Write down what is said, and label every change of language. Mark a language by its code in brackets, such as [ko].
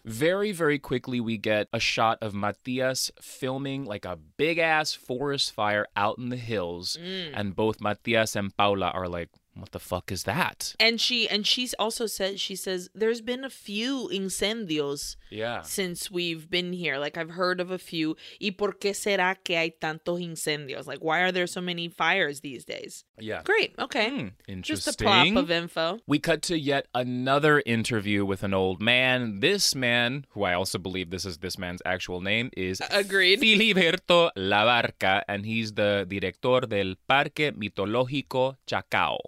[en] Very, very quickly, we get a shot of Matias filming like a big-ass forest fire out in the hills, and both Matias and Paula are like, what the fuck is that? And she also says there's been a few incendios since we've been here. Like, I've heard of a few. [es] ¿Y por qué será que hay tantos incendios? [en] Like, why are there so many fires these days? Yeah. Great. Okay. Interesting. Just a plop of info. We cut to yet another interview with an old man. This man, who I also believe this is this man's actual name, is Filiberto Labarca, and he's the director del Parque Mitológico Chacao.